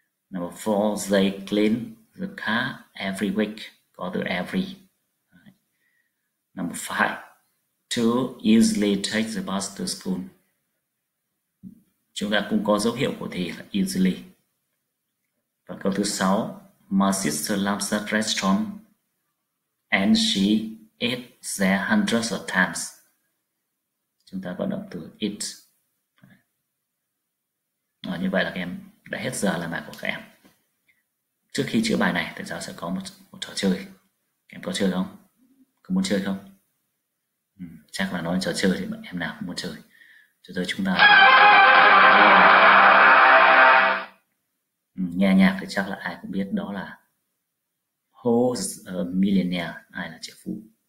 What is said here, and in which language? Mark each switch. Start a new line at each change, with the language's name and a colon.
English: Number 4, they clean the car every week.
Vietnamese: Có từ every.
English: Number 5, too easily take the bus to school.
Vietnamese: Chúng ta cũng có dấu hiệu của thì là easily.
English: Và câu thứ 6, my sister loves that restaurant and she ate there hundreds of times.
Vietnamese: Chúng ta có động từ eat. Đó, như vậy là các em đã hết giờ làm bài của các em. Trước khi chữa bài này, thầy giáo sẽ có một trò chơi. Em có chơi không? Có muốn chơi không? Chắc là nói trò chơi thì em nào cũng muốn chơi. Trò chơi chúng ta nghe nhạc thì chắc là ai cũng biết đó là Who's a Millionaire? Ai là triệu phú?